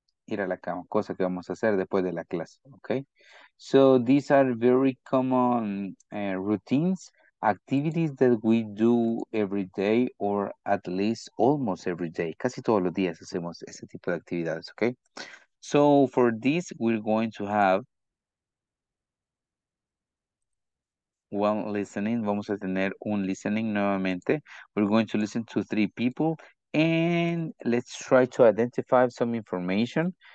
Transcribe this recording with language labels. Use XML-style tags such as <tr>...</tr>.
<es>Ir a la cama, cosa que vamos a hacer después de la clase, okay?</es> <en>So these are very common routines, activities that we do every day or at least almost every day.</en> <es>Casi todos los días hacemos ese tipo de actividades, okay?</es> <en>So for this, we're going to have one listening.</en> <es>Vamos a tener un listening nuevamente.</es> <en>We're going to listen to three people. And let's try to identify some information.</en>